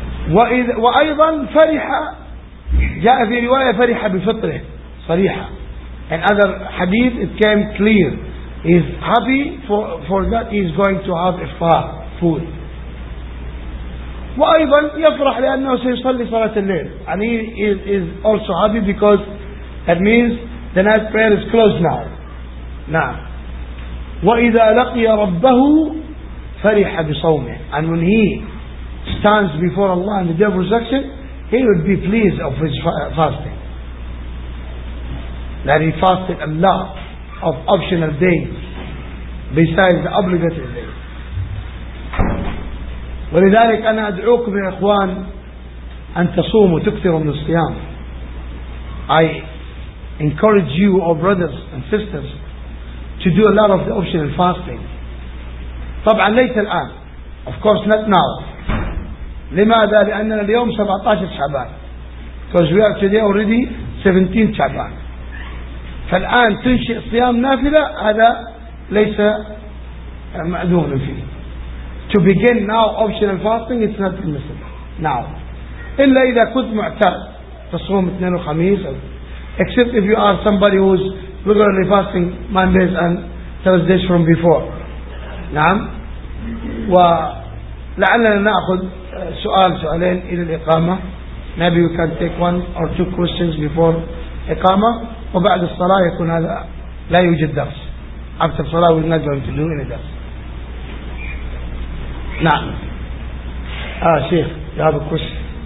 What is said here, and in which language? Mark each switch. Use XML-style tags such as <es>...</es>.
<ar>وَأَيْضًا فَرِحَ. جَاءَ فِي رِوَايَةَ فَرِحَ بِفِطْرِهِ صَرِيحًا.</ar> <en>In other hadith, it came clear. He's happy for that he's going to have iftar, food.</en> <ar>وأيضا يفرح لأنه سيصلي صلاة الليل.</ar> <en>And he is also happy because that means the night prayer is closed now.</en> <ar>نعم. وإذا لقي ربه فرح بصومه.</ar> <en>And when he stands before Allah in the day of resurrection, he would be pleased of his fasting. That he fasted a lot of optional days besides the obligatory days.</en> <ar>ولذلك أنا أدعوكم يا إخوان أن تصوموا تكثروا من الصيام.</ar> <en>I encourage you, O brothers and sisters, to do a lot of the optional fasting.</en> <ar>طبعا ليس الآن.</ar> <en>Of course not now.</en> <ar>لماذا؟ لأننا اليوم 17 شعبان.</ar> <en>Because we are today already 17 شعبان.</en> <ar>فالآن تنشئ صيام نافلة هذا ليس مأذون فيه.</ar> <en>To begin now optional fasting, it's not permissible now.</en> <ar>إلا إذا كنت معتاد تصوم اثنين وخميس.</ar> <en>Except if you are somebody who's regularly fasting Mondays and Thursdays from before.</en> <ar>نعم. ولعلنا نأخذ سؤال سؤالين إلى الإقامة.</ar> <en>Maybe you can take one or two questions before إقامة.</en> <ar>وبعد الصلاة يكون هذا لا يوجد درس.</ar> <en>After الصلاة we're not going to do any درس.</en> <ar>نعم.</ar> <en>شيخ, you have a question.</en>